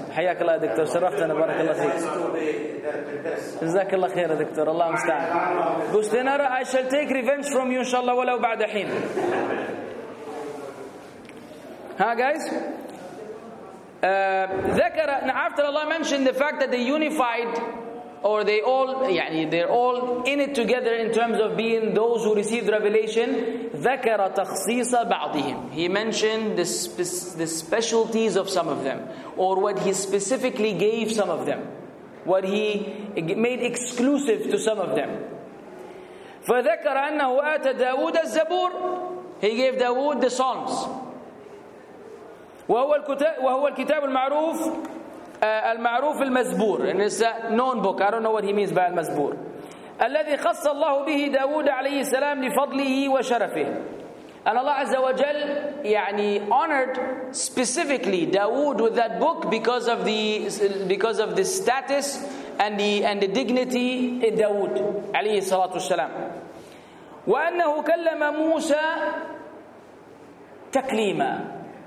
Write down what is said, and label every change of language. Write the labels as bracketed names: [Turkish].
[Arabic] حياك الله يا دكتور, شرفتنا, بارك الله فيك, جزاك الله خير يا دكتور, الله مستعان. [English] بستنيرة, I shall take revenge from you inshallah [Arabic] ولو بعد حين. [English] Ha guys, ذكر. Now after Allah mentioned the fact that they unified, or they all, يعني they're all in it together in terms of being those who received revelation, [Arabic] ذكر تخصيص بعضهم. [English] He mentioned the specialties of some of them, or what he specifically gave some of them, what he made exclusive to some of them. [Arabic] فذكر أنه آتى داود الزبور. [English] He gave Dawood the Psalms. [Arabic] وهو الكتاب المعروف المعروف المزبور. [English] And it's a known book. I don't know what he means by المزبور. [Arabic] الذي خص الله به داود عليه السلام لفضله وشرفه. [English] And Allah عز وجل يعني honored specifically داود with that book because of the status and the dignity in داود عليه الصلاة والسلام. [Arabic] وأنه كلم موسى تكليما.